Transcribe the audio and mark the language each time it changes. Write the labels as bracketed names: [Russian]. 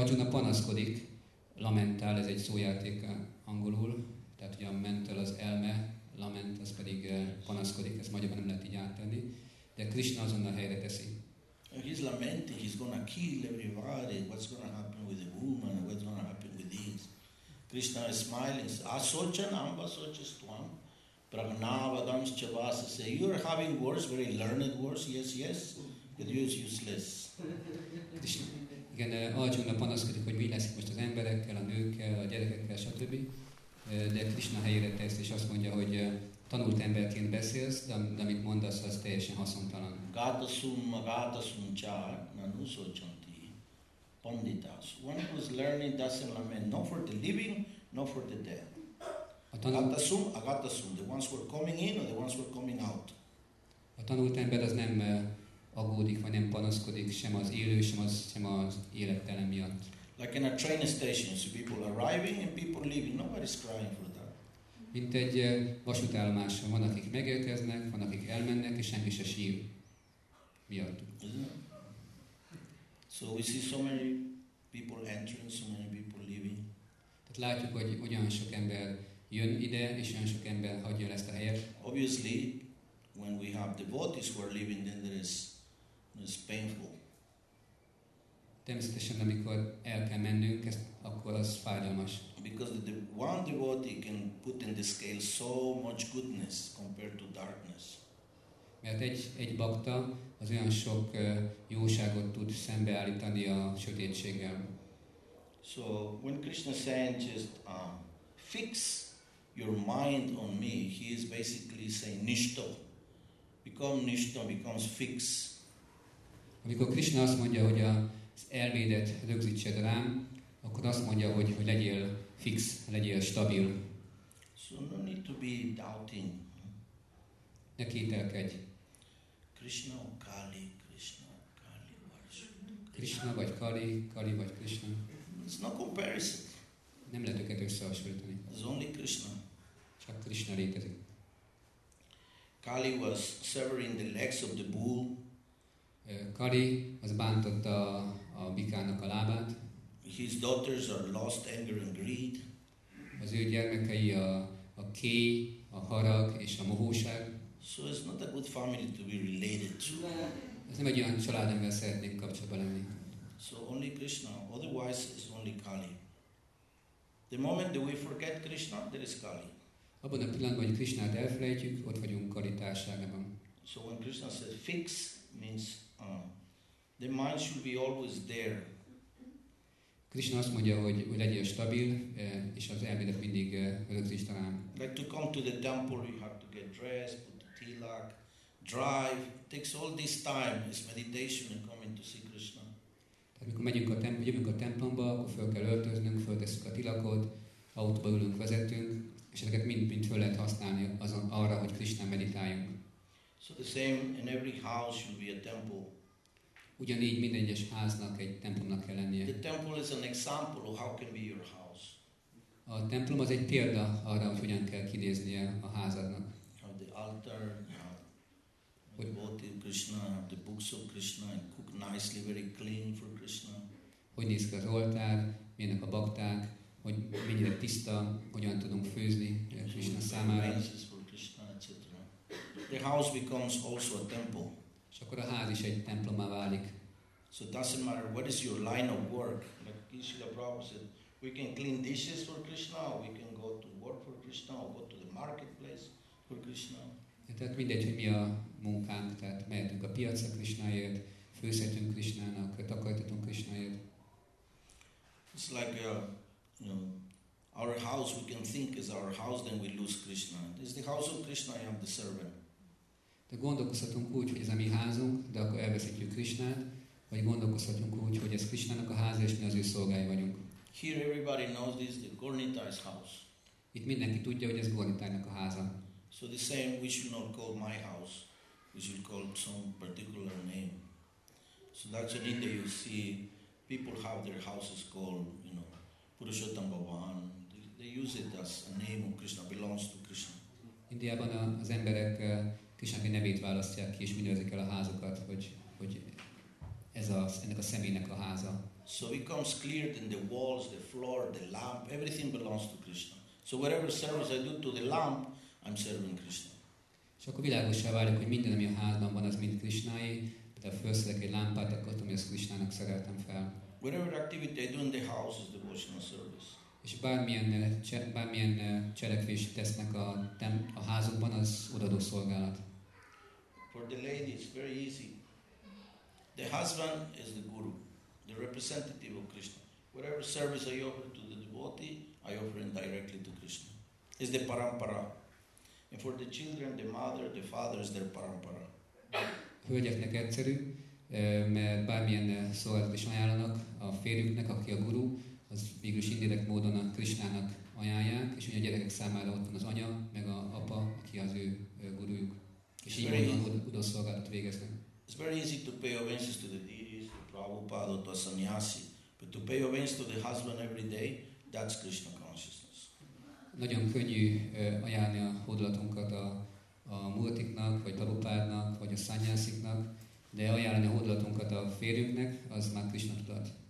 [Hungarian] panaszkodik, lamentál, ez egy szójáték angolul, tehát ugye a mental az elme, lament az pedig panaszkodik, ezt magyarban nem lehet így áttenni, de Krishna azonnal helyre teszi. [English] He's lamenting, he's gonna kill everybody, what's gonna happen with the woman, what's gonna happen with these. Krishna is smiling, [Sanskrit] asocha namba socha stvam, pragnavadams chavasa say, [English] you're having words, very learned words, yes, yes, but you're useless. [Hungarian] Krishna, igen, Arjuna panaszkodik, hogy mi lesz most az emberekkel, a nőkkel, a gyerekekkel, stb. De Krishna helyére tesz, és azt mondja, hogy tanult emberként beszélsz, de amit mondasz, az teljesen haszontalan. [Sanskrit] Gata sum chak, nanu sochanti, panditas. [English] One who is learning doesn't lament, not for the living, not for the dead. [Sanskrit] Gata sum, [English] the ones who are coming in, or the ones who are coming out. [Hungarian] A tanult ember az nem aggódik, vagy nem panaszkodik, sem az élő, sem az élettelen miatt. [English] Like in a train station, so people arriving and people leaving, nobody's crying for that. [Hungarian] Mint egy vasútállomáson, van akik megérkeznek, van akik elmennek, és senki se sír miattuk. [English] So we see so many people entering, so many people leaving. [Hungarian] Tehát látjuk, hogy olyan sok ember jön ide, és olyan sok ember hagyja ezt a helyet. [English] Obviously, when we have devotees who are leaving, then there is painful. [Hungarian] Természetesen, amikor el kell mennünk, akkor az fájdalmas. [English] Because the one devotee can put in the scale so much goodness compared to darkness. [Hungarian] Mert egy bakta az olyan sok jóságot tud szembeállítani a sötétséggel. [English] So when Krishna saying just fix your mind on me, he is basically saying nishto. Become nishto, becomes fix. [Hungarian] Amikor Krishna azt mondja, hogy az elvédet rögzítsed rám, akkor azt mondja, hogy legyél fix, legyél stabil. [English] So no need to be doubting. [Hungarian] Ne kételkedj. [English] Krishna or Kali, Krishna or Kali, Varsha. [Hungarian] Krishna vagy Kali, Kali vagy Krishna. [English] It's no comparison. [Hungarian] Nem lehet őket összehasonlítani. [English] It's only Krishna. [Hungarian] Csak Krishna létezik. [English] Kali was severing the legs of the bull. [Hungarian] Kali az bántotta a bikának a lábát. [English] His daughters are lost, anger and greed. [Hungarian] Az ő gyermekei a kéj, a harag és a mohóság. [English] So it's not a good family to be related to. [Hungarian] Ez nem egy olyan család, amivel szeretnék kapcsolatban lenni. [English] So only Krishna, otherwise it's only Kali. The moment that we forget Krishna, there is Kali. [Hungarian] Abban a pillanatban, hogy Krishnát elfelejtjük, ott vagyunk Kali társágában. [English] So when Krishna says fix, means the mind should be always there. [Hungarian] Krishna azt mondja, hogy legyél stabil, és az elmédet mindig rögzítsd rám. [English] Like to come to the temple, you have to get dressed, put the tilak, drive. It takes all this time, it's meditation and coming to see Krishna. [Hungarian] Tehát mikor jövünk a templomba, akkor fel kell öltöznünk, föltesszük a tilakot, autóba ülünk, vezetünk, és ezeket mind föl lehet használni arra, hogy Krishna meditáljunk. [English] So the same in every house should be a temple. [Hungarian] Ugyanígy minden egyes háznak egy templomnak kell lennie. [English] The temple is an example of how can be your house. [Hungarian] A templom az egy példa arra, hogy hogyan kell kinéznie a házadnak. [English] Have the altar, have devotee of Krishna, have the books of Krishna, and cook nicely, very clean for Krishna. [Hungarian] Hogy néz ki az oltár, milyenek a bakták, hogy mennyire tiszta, hogyan tudunk főzni Krishna számára. [English] For Krishna, etc. The house becomes also a temple. [Hungarian] És akkor a ház is egy templommá válik. [English] So doesn't matter what is your line of work. Like Srila Prabhupada said, we can clean dishes for Krishna, or we can go to work for Krishna, or go to the marketplace for Krishna. [Hungarian] Tehát mindegy, hogy mi a munkánk, tehát mehetünk a piacra Krishnáért, főzhetünk Krishnának, takarítatunk Krishnáért. [English] It's like our house, we can think is our house, then we lose Krishna. It's the house of Krishna, I am the servant. [Hungarian] De gondolkozhatunk úgy, hogy ez a mi házunk, de akkor elveszítjük Krishnát, vagy gondolkozhatunk úgy, hogy ez Krishnának a háza, és mi az ő szolgái vagyunk. [English] Here everybody knows this, the Gornita's house. [Hungarian] Itt mindenki tudja, hogy ez Gornitának a háza. [English] So the same, we should not call my house, we should call some particular name. So that's in India you see, people have their houses called, Purushottam Bhavan. They use it as a name of Krishna, belongs to Krishna. [Hungarian] Indiában az emberek Krishnának nevét választják ki, és mindezik el a házukat, hogy ez ennek a személynek a háza. [English] So it becomes clear that the walls, the floor, the lamp, everything belongs to Krishna. So whatever service I do to the lamp, I'm serving Krishna. [Hungarian] És akkor világossá válik, hogy minden, ami a házban van, az mind Krishnáé, de felszedek egy lámpát, akkor tudom, hogy ezt Krishnának szereltem fel. [English] Whatever activity I do in the house is devotional service. [Hungarian] És bármilyen cselekvést tesznek a házukban, az odaadó szolgálat. [English] For the lady it's very easy. The husband is the guru, the representative of Krishna. Whatever service I offer to the devotee, I offer it directly to Krishna. It's the parampara. And for the children, the mother, the father is their parampara. [Hungarian] Hölgyeknek egyszerű, mert bármilyen szolgálatot is ajánlanak a férjüknek, aki a guru, az végülis indirekt módon a Krishnának ajánlják, és ugye a gyerekek számára ott van az anya, meg a apa, aki az ő gurujuk. És így módon oda szolgálatot végeznek. [English] It's very easy to pay obeisances to the deities, to Prabhupada, to a sannyasi. But to pay obeisances to the husband every day, that's Krishna consciousness. [Hungarian] Nagyon könnyű ajánlani a hódolatunkat a múltiknak, vagy Prabhupádnak, vagy a sannyasiknak, de ajánlani a hódolatunkat a férjünknek, az már Krishna tudat.